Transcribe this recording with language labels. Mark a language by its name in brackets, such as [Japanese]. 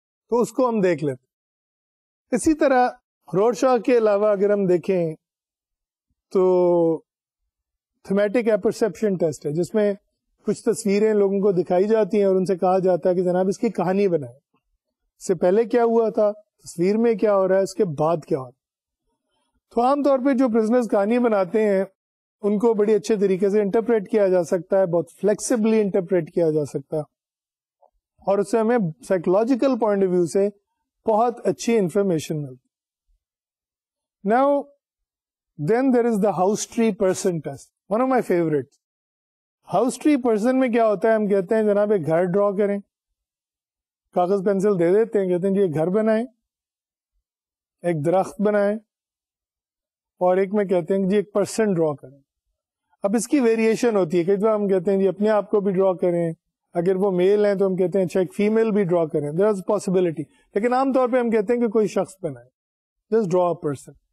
[Urdu] تو اس کو ہم دیکھ لیتے. اسی طرح روڈشاہ کے علاوہ اگر ہم دیکھیں تو تھیمیٹک اپرسیپشن ٹیسٹ ہے, جس میں کچھ تصویریں لوگوں کو دکھائی جاتی ہیں اور ان سے کہا جاتا ہے کہ جناب اس کی کہانی بنائیں, سے پہلے کیا ہوا تھا, تصویر میں کیا ہو رہا ہے, اس کے بعد کیا ہو رہا ہے. تو عام طور پہ جو پرزنرز کہانی بناتے ہیں ان کو بڑی اچھے طریقے سے انٹرپریٹ کیا جا سکتا ہے, بہت فلیکسیبلی انٹرپریٹ کیا جا سکتا ہے, اور اس سے ہمیں سائیکولوجیکل پوائنٹ آف ویو سے بہت اچھی انفارمیشن ملتی. [English] Now then there is the house tree person test, one of my favourite. [Urdu] House tree person میں کیا ہوتا ہے, ہم کہتے ہیں جناب ایک گھر ڈرا کریں, کاغذ پینسل دے دیتے ہیں, کہتے ہیں جی ایک گھر بنائیں, ایک درخت بنائیں, اور ایک میں کہتے ہیں جی ایک پرسن ڈرا کریں. اب اس کی ویریشن ہوتی ہے, کئی بار ہم کہتے ہیں جی اپنے آپ کو بھی ڈرا کریں, اگر وہ میل ہیں تو ہم کہتے ہیں اچھا ایک فیمیل بھی ڈرا کریں, [English] there is possibility, [Urdu] لیکن عام طور پہ ہم کہتے ہیں کہ کوئی شخص بنائے, [English] Just draw person.